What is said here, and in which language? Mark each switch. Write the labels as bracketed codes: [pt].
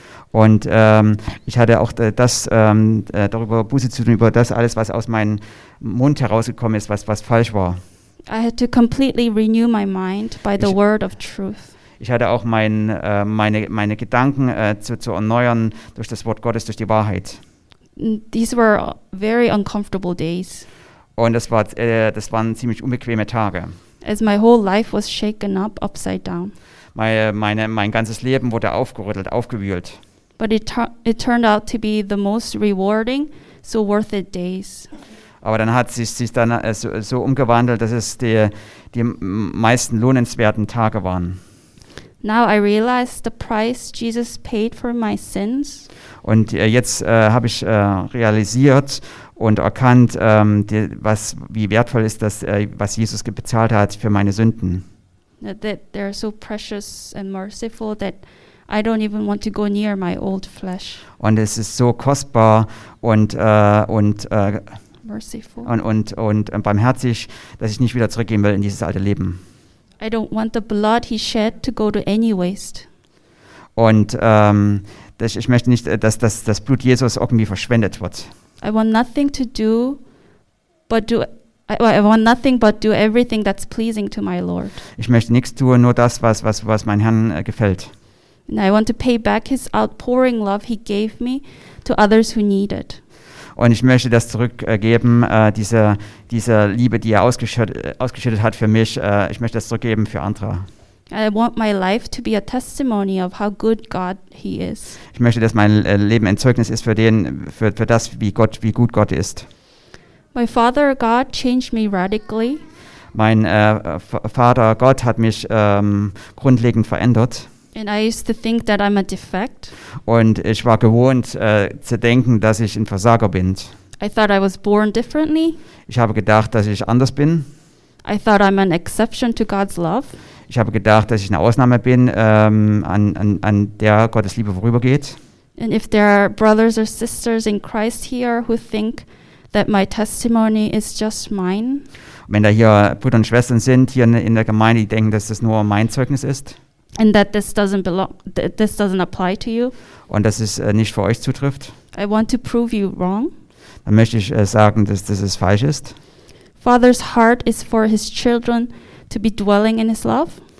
[de] Und ich hatte auch darüber Buße zu tun, über das alles, was aus meinem Mund herausgekommen ist, was falsch war. [en] I had to completely renew my mind by the word of truth. [de] Ich hatte auch meine Gedanken zu erneuern durch das Wort Gottes, durch die Wahrheit. [en] These were very uncomfortable days. [de] Und das waren ziemlich unbequeme Tage. [en] As my whole life was shaken up upside down. [de] Mein ganzes Leben wurde aufgerüttelt, aufgewühlt. [en] But it turned out to be the most rewarding, so worth it days. [de] Aber dann hat sich dann so umgewandelt, dass es die meisten lohnenswerten Tage waren. [en] Now I realize the price Jesus paid for my sins. [de] Und jetzt habe ich realisiert und erkannt, wie wertvoll ist das, was Jesus bezahlt hat für meine Sünden. [en] That they are so precious and merciful that I don't even want to go near my old flesh. [de] Und es ist so kostbar und barmherzig, dass ich nicht wieder zurückgehen will in dieses alte Leben. [en] I don't want the blood he shed to go to any waste. [de] Und ich möchte nicht, dass das Blut Jesus irgendwie verschwendet wird. [en] I want nothing to do but do I want nothing but do everything that's pleasing to my Lord. [de] Ich möchte nichts tun, nur das, was mein Herrn gefällt. [en] And I want to pay back his outpouring love he gave me to others who need it. [de] Und ich möchte das zurückgeben, diese Liebe, die er ausgeschüttet hat für mich, ich möchte das zurückgeben für andere. [en] I want my life to be a testimony of how good God he is. [de] Ich möchte, dass mein Leben ein Zeugnis ist für das, wie gut Gott ist. [en] My Father God changed me radically. [de] Mein Vater Gott hat mich grundlegend verändert. [en] And I used to think that I'm a defect. [de] Und ich war gewohnt zu denken, dass ich ein Versager bin. [en] I thought I was born differently. [de] Ich habe gedacht, dass ich anders bin. [en] I thought I'm an exception to God's love. [de] Ich habe gedacht, dass ich eine Ausnahme bin, an der Gottes Liebe vorübergeht. [en] And if there are brothers or sisters in Christ here who think that my testimony is just mine. [de] Wenn da hier Brüder und Schwestern sind hier in der Gemeinde, die denken, dass das nur mein Zeugnis ist. [en] And that this doesn't apply to you. [de] Und dass es nicht für euch zutrifft. [en] I want to prove you wrong. [de] Dann möchte ich sagen, dass das ist falsch ist. [en] Father's heart is for his children to be dwelling in his love.